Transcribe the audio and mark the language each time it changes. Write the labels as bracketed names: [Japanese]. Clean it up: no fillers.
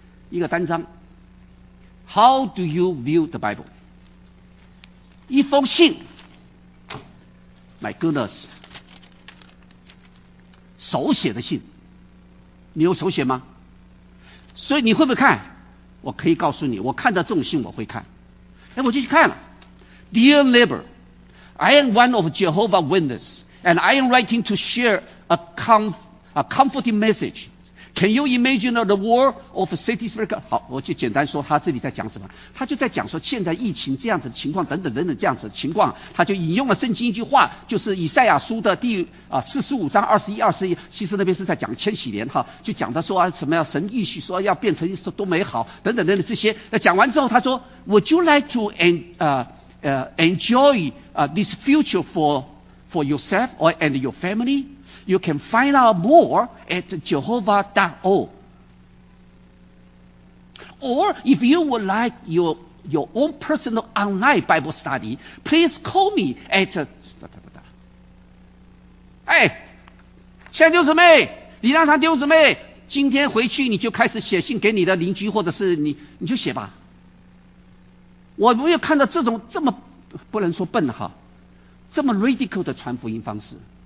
[Chinese] 一个单章。 [English] How do you view the Bible？ [Chinese] 一封信。 [English] My goodness， [Chinese] 手写的信，你有手写吗？所以你会不会看？我可以告诉你，我看到这种信我会看。哎，我就去看了。 [English] Dear neighbor， I am one of Jehovah's Witnesses， and I am writing to share a comforting message。 Can you imagine the war of cities breaker？ [Chinese] 好，我就简单说他这里在讲什么。他就在讲说现在疫情这样子的情况等等等等这样子的情况，他就引用了圣经一句话，就是以赛亚书的第45章21-21，其实那边是在讲千禧年哈，就讲他说啊什么呀，神意许说要变成多美好等等等等这些。那讲完之后，他说 [English] ，Would you like to enjoy this future for yourself or and your family？ You can find out more at Jehovah.org. Or if you would like your own personal online Bible study, please call me at... [Chinese] 哎，亲爱的弟兄姊妹，李大堂弟兄姊妹，今天回去你就开始写信给你的邻居，或者是你就写吧。我没有看到这种这么不能说笨哈，这么 radical 的传福音方式。